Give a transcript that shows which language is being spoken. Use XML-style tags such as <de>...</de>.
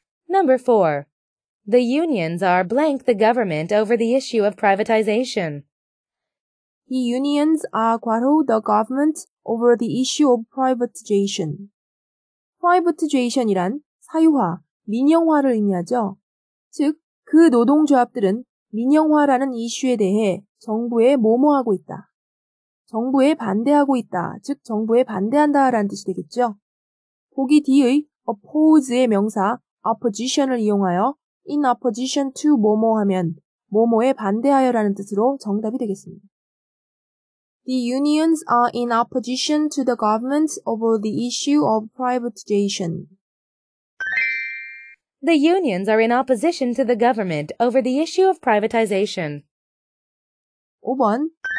<en>Number 4 The unions are blank the government over the issue of privatization. The unions are</en> <ko>과로</ko> <en>the government over the issue of privatization.</en> <ko>Privatization이란 사유화, 민영화를 의미하죠. 즉, 그 노동조합들은 민영화라는 이슈에 대해 정부에 뭐뭐하고 있다. 정부에 반대하고 있다. 즉, 정부에 반대한다 라는 뜻이 되겠죠. 보기 D의 oppose의 명사 opposition을 이용하여</ko> <en>in opposition to</en> <ko>뭐뭐 하면 뭐뭐에 반대하여라는 뜻으로 정답이 되겠습니다.</ko> <en>The unions are in opposition to the government over the issue of privatization. The unions are in opposition to the government over the issue of privatization.</en> <ko>5번.</ko>